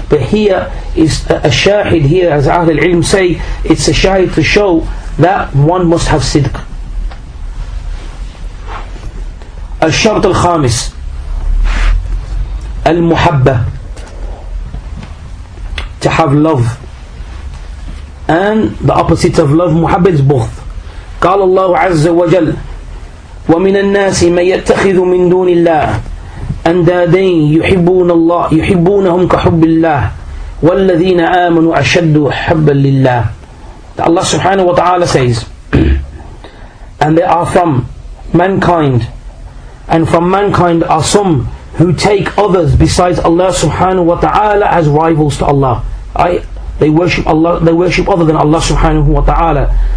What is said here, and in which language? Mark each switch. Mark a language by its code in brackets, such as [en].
[en] But here is a shahid here, as Ahl al-ilm say, it's a shahid to show that one must have sidq. [ar] Al-shart al-khamis, al-muhabba, [en] to have love. And the opposite of love, muhabba, is bughd. [ar] Qala Allah azza wa jal, وَمِنَ النَّاسِ مَنْ يَتَّخِذُ مِنْ دُونِ اللَّهِ أَنْدَادَيْنِ يُحِبُّونَ اللَّهِ يُحِبُّونَهُمْ كَحُبِّ اللَّهِ وَالَّذِينَ آمَنُوا أَشَدُّ حَبًّا لِلَّهِ. [en] Allah subhanahu wa ta'ala says, and there are from mankind, and from mankind are some who take others besides Allah subhanahu wa ta'ala as rivals to Allah. They worship Allah, they worship other than Allah subhanahu wa ta'ala.